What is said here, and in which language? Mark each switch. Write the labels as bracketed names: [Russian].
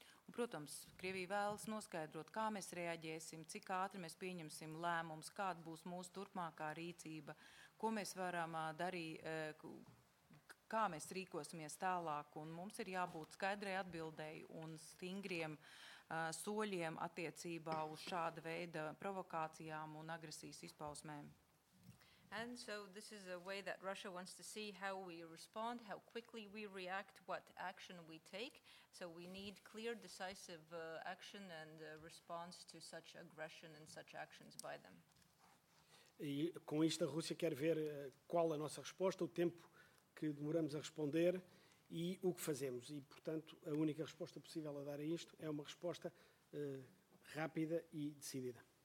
[Latvian] Protams, Krievija vēlas noskaidrot, kā mēs reaģēsim, cik ātri mēs pieņemsim lēmumus, kāda būs mūsu turpmākā rīcība, ko mēs varam darīt, kā mēs rīkosimies tālāk, un mums ir jābūt skaidrai atbildēji un stingriem soļiem attiecībā uz šāda veida provokācijām un agresijas izpausmēm. [English] And so this is a way that Russia wants to see how we respond, how quickly we react, what action we take. So we need clear, decisive action and response to such aggression and such actions by them. [Portuguese] E com isto a Rússia quer ver qual a nossa resposta, o tempo que demoramos a responder e o que fazemos. E, portanto, a única resposta possível a dar a isto é uma resposta rápida e decidida.